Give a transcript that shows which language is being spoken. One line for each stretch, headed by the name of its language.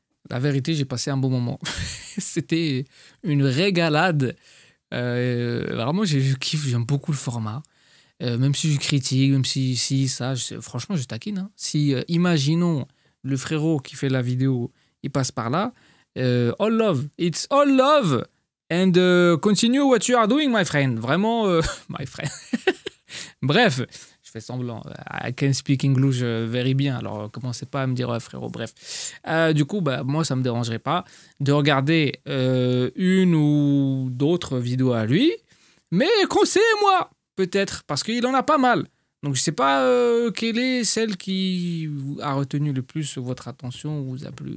French: La vérité, j'ai passé un bon moment. C'était une régalade. Vraiment, je kiffe, j'aime beaucoup le format. Même si je critique, même si ça, franchement, je taquine. Hein. Si, imaginons, le frérot qui fait la vidéo, il passe par là.
English: All love, it's all love. And continue what you are doing, my friend. Vraiment, my friend.
French: Bref, je fais semblant.
English: I can speak English very
French: bien. Alors, commencez pas à me dire, frérot, bref. Du coup, bah, moi, ça me dérangerait pas de regarder une ou d'autres vidéos à lui. Mais conseillez-moi, peut-être, parce qu'il en a pas mal. Donc, je sais pas quelle est celle qui a retenu le plus votre attention ou vous a plu.